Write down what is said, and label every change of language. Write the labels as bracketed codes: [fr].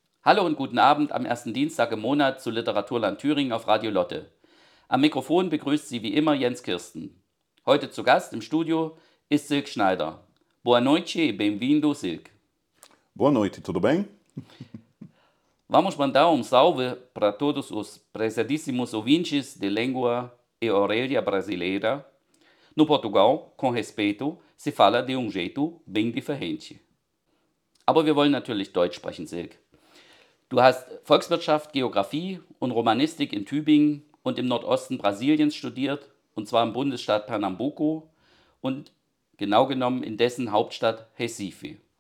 [de] Hallo und guten Abend am ersten Dienstag im Monat zu Literaturland Thüringen auf Radio Lotte. Am Mikrofon begrüßt Sie wie immer Jens Kirsten. Heute zu Gast im Studio ist Silke Schneider. [it] Buona noite, benvenuto Silke. Buona noite, tutto bene? [pt] Vamos mandar un salve para todos os prezadíssimos ouvintes de língua e orelha brasileira. No Portugal, com respeito, se fala de jeito bem diferente. [de] Aber wir wollen natürlich Deutsch sprechen, Silke. Du hast Volkswirtschaft, Geografie und Romanistik in Tübingen und im Nordosten Brasiliens studiert, und zwar im Bundesstaat Pernambuco und genau genommen in dessen Hauptstadt Recife.